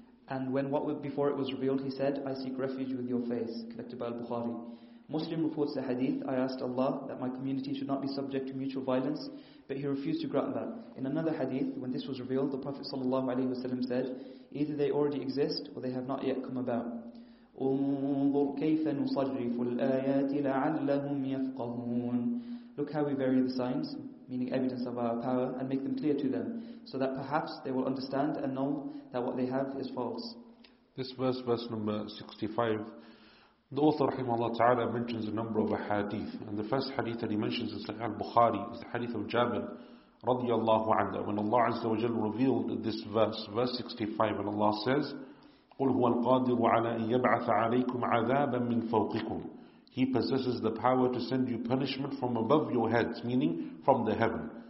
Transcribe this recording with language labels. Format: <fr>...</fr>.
<en>And when what before it was revealed, he said, I seek refuge with your face, connected by Al-Bukhari. Muslim reports the hadith, I asked Allah that my community should not be subject to mutual violence, but he refused to grant that. In another hadith, when this was revealed, the Prophet ﷺ said, either they already exist or they have not yet come about.</en> <ar>انظر كيف نصرف الآيات لعلهم يفقهون,</ar> <en>look how we vary the signs, meaning evidence of our power, and make them clear to them, so that perhaps they will understand and know that what they have is false. This verse, verse number 65, the author, rahimahullah ta'ala, mentions a number of hadith. And the first hadith that he mentions in Sahih al-Bukhari is the hadith of Jabir, radiyallahu anhu, when Allah Azza wa Jal revealed this verse, verse 65, and Allah says,</en> <ar>قُلْ هُوَ الْقَادِرُ عَلَىٰ أَن يَبْعَثَ عَلَيْكُمْ عَذَابًا مِّن فَوْقِكُمْ,</ar> <en>He possesses the power to send you punishment from above your heads, meaning from the heaven.</en>